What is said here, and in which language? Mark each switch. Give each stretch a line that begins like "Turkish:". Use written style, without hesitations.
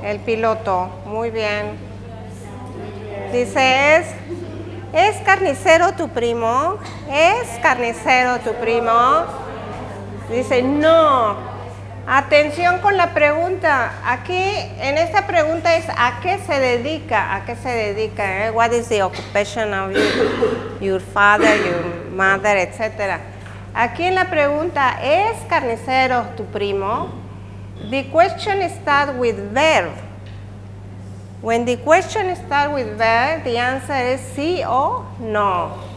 Spanish: El piloto. Muy bien. Dice, ¿es carnicero tu primo? ¿Es carnicero tu primo? Dice, no. Atención con la pregunta. Aquí, en esta pregunta es, ¿a qué se dedica? ¿A qué se dedica? ¿Eh?
English: What is the occupation of your father, your mother, etcétera?
Spanish: Aquí en la pregunta, ¿es carnicero tu primo?
English: The question starts with verb. When the question starts with verb, the answer is
Spanish: sí o no.